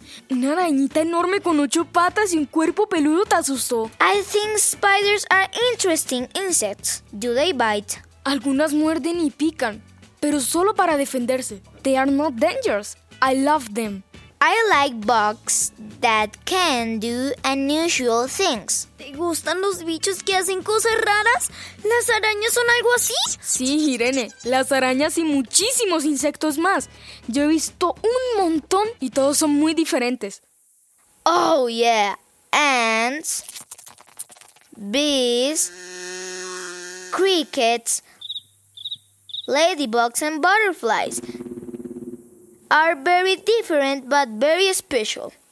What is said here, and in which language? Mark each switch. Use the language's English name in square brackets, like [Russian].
[Spanish] Una arañita enorme con 8 patas y un cuerpo peludo te asustó. [English] I think spiders are interesting insects. Do they bite? [Spanish] Algunas muerden y pican, pero solo para defenderse. [English] They are not dangerous. I love them. I like bugs that can do unusual things. [Spanish] ¿Te gustan los bichos que hacen cosas raras? ¿Las arañas son algo así? Sí, Irene. Las arañas y muchísimos insectos más. Yo he visto un montón y todos son muy diferentes. [English] Oh, yeah. Ants, bees, crickets, ladybugs and butterflies are very different but very special.